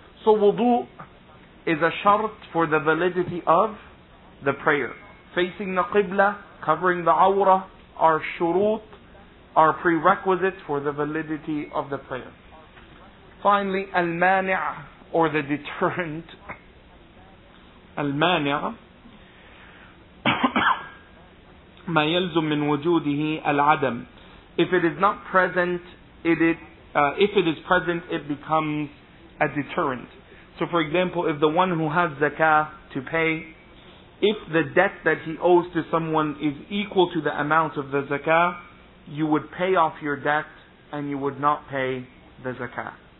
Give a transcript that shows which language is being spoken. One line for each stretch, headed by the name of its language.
English: So wudu is a shart for the validity of the prayer. Facing the qibla, covering the awra, are shurut, are prerequisites for the validity of the prayer. Finally, al-mani' or the deterrent.
Arabic: Al-mani' ما يلزم من وجوده العدم.
English: If it is not present, if it is present, it becomes a deterrent. So for example, if the one who has zakah to pay, if the debt that he owes to someone is equal to the amount of the zakah, you would pay off your debt and you would not pay the zakah.